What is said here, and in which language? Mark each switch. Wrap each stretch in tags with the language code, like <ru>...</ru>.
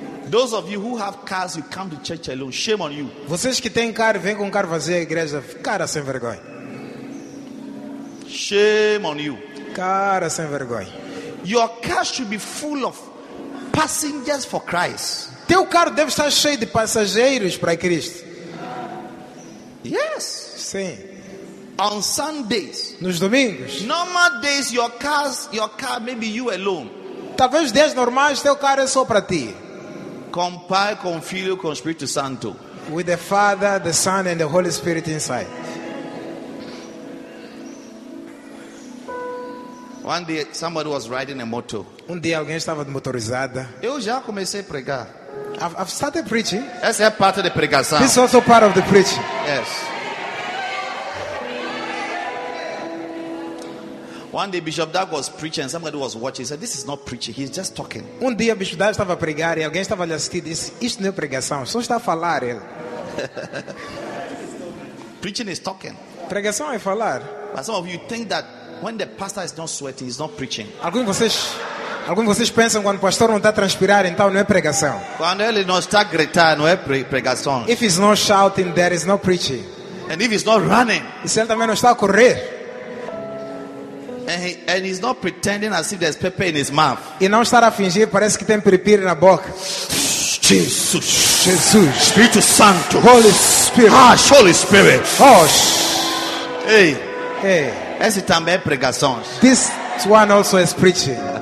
<en>Those of you who have cars, you come to church alone. Shame on you.</en> <pt>Vocês que têm carro, vêm com carro vazio à igreja. Cara sem vergonha.</pt> <en>Shame on you.</en> <pt>Cara sem vergonha.</pt> <en>Your car should be full of passengers for Christ.</en> <pt>Teu carro deve estar cheio de passageiros para Cristo.</pt> <en>Yes.</en> <pt>Sim.</pt> <en>On Sundays.</en> <pt>Nos domingos.</pt> <en>Normal days, your car maybe you alone.</en> <pt>Talvez dias normais teu carro é só para ti. Com Pai, com Filho, com Espírito Santo.</pt> <en>With the Father, the Son and the Holy Spirit inside. One day somebody was riding a moto.</en> <pt>Um dia alguém estava de motorizada. Eu já comecei a pregar.</pt> <en>I've started preaching.</en> <pt>Essa é parte da pregação.</pt> <en>This is also part of the preaching. Yes. One day Bishop Doug was preaching and somebody was watching. He said, "This is not preaching. He's just talking."</en> <pt>Um dia Bishop Doug estava a pregar e alguém estava a assistir. Disse, "Isto não é pregação. Só está a falar ele."</pt> <en>Preaching is talking.</en> <pt>Pregação é falar.</pt> <en>But some of you think that when the pastor is not sweating, he's not preaching.</en> <pt>Alguns de vocês pensam quando o pastor não está a transpirar, então não é pregação. Quando ele não está a gritar, não é pregação.</pt> <en>If he's not shouting, there is no preaching. And if he's not running,</en> <pt>e se ele também não está a correr.</pt> <en>And he's not pretending as if there's pepper in his mouth.</en> <pt>E não está a fingir, parece que tem piripiri na boca.</pt> <en>Jesus,</en> <pt>Jesus, Espírito Santo,</pt> <en>Holy Spirit, Hush, Holy Spirit, Hush. Hey, hey.</en> <pt>Esse também é pregação.</pt> <en>This one also is preaching.</en>